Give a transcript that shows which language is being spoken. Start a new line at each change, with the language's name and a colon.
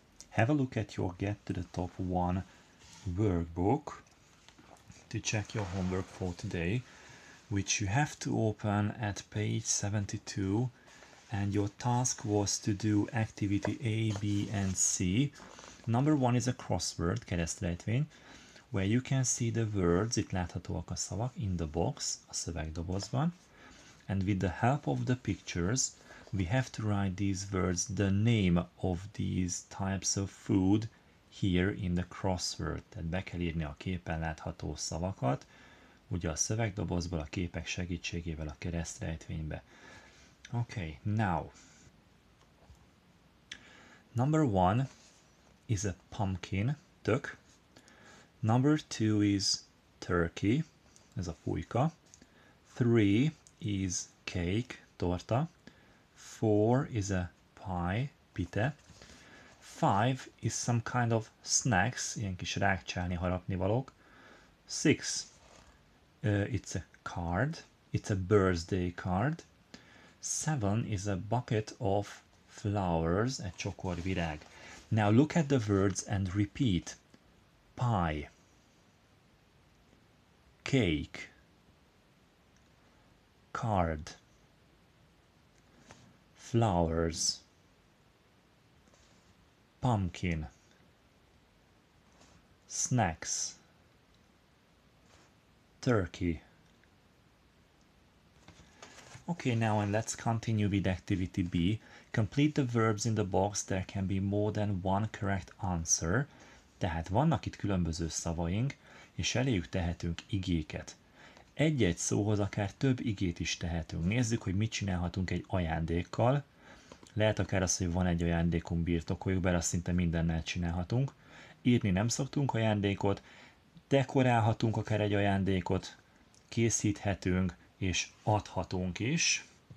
English: have a look at your Get to the Top 1 workbook to check your homework for today, which you have to open at page 72. And your task was to do activity A, B, and C. Number one is a crossword,
Hungarian: keresztrejtvény,
English: where you can see the words,
Hungarian: itt láthatóak a szavak,
English: in the box,
Hungarian: a szövegdobozban.
English: And with the help of the pictures, we have to write these words, the name of these types of food, here in the crossword.
Hungarian: Tehát be kell írni a képen látható szavakat, ugye a szövegdobozból, a képek segítségével a keresztrejtvénybe.
English: Okay, now, number one is a pumpkin,
Hungarian: tök.
English: Number two is turkey,
Hungarian: ez a fújka.
English: Three is cake,
Hungarian: torta.
English: Four is a pie,
Hungarian: pite.
English: Five is some kind of snacks,
Hungarian: ilyen kis rágcsálni, harapnivalók.
English: Six, it's a card, it's a birthday card. Seven is a bucket of flowers,
Hungarian: egy csokor virág.
English: Now look at the words and repeat. Pie. Cake. Card. Flowers. Pumpkin. Snacks. Turkey. Okay, now and let's continue with activity B. Complete the verbs in the box, there can be more than one correct answer.
Hungarian: Tehát vannak itt különböző szavaink, és eléjük tehetünk igéket. Egy-egy szóhoz akár több igét is tehetünk. Nézzük, hogy mit csinálhatunk egy ajándékkal. Lehet akár az, hogy van egy ajándékunk, birtokoljuk, bár azt szinte mindennel csinálhatunk. Írni nem szoktunk ajándékot, dekorálhatunk akár egy ajándékot, készíthetünk, és adhatunk is.